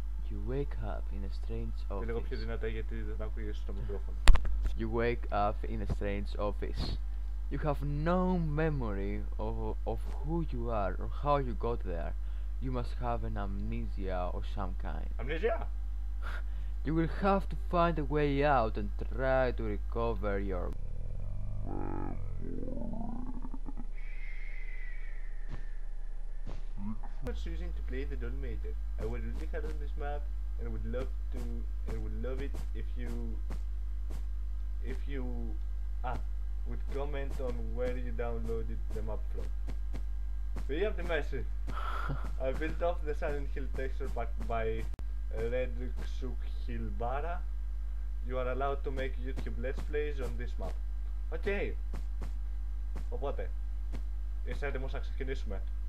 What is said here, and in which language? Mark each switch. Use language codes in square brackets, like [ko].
[en] You wake up in a strange office. [el] Λίγο πιο δυνατά γιατί δεν ακούγες στο μικρόφωνο. [en] You wake up in a strange office. You have no memory of who you are or how you got there. You must have an amnesia of some kind. Amnesia? You will have to find a way out and try to recover your... I'm choosing to play the Dollmaker. I would really hard on this map and would love to... and would love it if you... if you... would comment on where you downloaded the map from. We have the message. I built off the Silent Hill texture pack by Redxuk Hilbara. You are allowed to make YouTube Let's Plays on this map. Okay. [el] Οπότε, είσαι έτοιμος να ξεκινήσουμε?